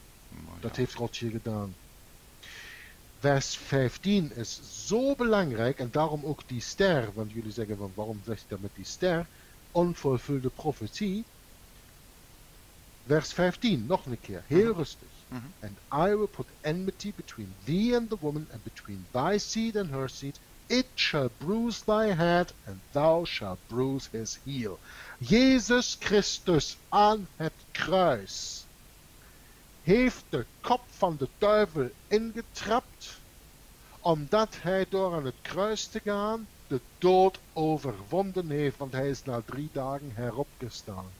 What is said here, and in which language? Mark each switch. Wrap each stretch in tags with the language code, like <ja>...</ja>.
<nl>Oh, ja. Dat heeft God hier gedaan. Vers 15 is zo belangrijk en daarom ook die ster, want jullie zeggen van waarom zegt hij met die ster, onvervulde profetie. Vers 15, nog een keer, heel rustig. Mm-hmm.</nl> <en>And I will put enmity between thee and the woman, and between thy seed and her seed. It shall bruise thy head, and thou shalt bruise his heel.</en> <nl>Jezus Christus aan het kruis heeft de kop van de duivel ingetrapt, omdat hij door aan het kruis te gaan de dood overwonden heeft, want hij is na 3 dagen heropgestaan.</nl>